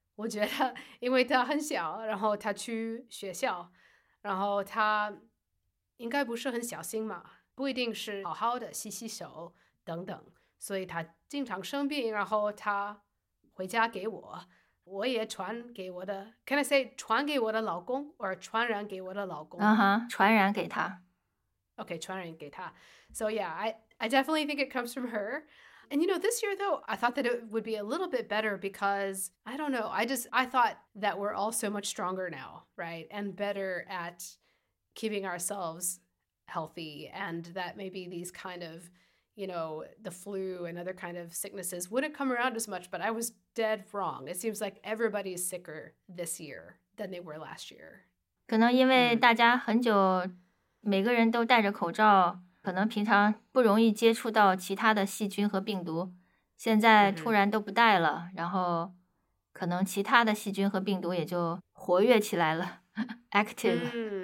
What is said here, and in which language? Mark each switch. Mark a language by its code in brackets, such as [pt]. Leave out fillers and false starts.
[zh] 我觉得因为他很小，然后他去学校，然后他应该不是很小心嘛，不一定是好好的洗洗手等等，所以他经常生病，然后他回家给我，我也传给我的 [en] can I say [zh] 传给我的老公 or 传染给我的老公，传染给他。 OK, 传染给他。 [en] So yeah, I definitely think it comes from her. And you know, this year though, I thought that it would be a little bit better because, I don't know, I thought that we're all so much stronger now, right? And better at keeping ourselves healthy and that maybe these kind of, you know, the flu and other kind of sicknesses wouldn't come around as much, but I was dead wrong. It seems like everybody is sicker this year than they were last year. [zh] 可能因为大家很久每个人都戴着口罩，可能平常不容易接触到其他的细菌和病毒，现在突然都不带了，然后可能其他的细菌和病毒也就活跃起来了active.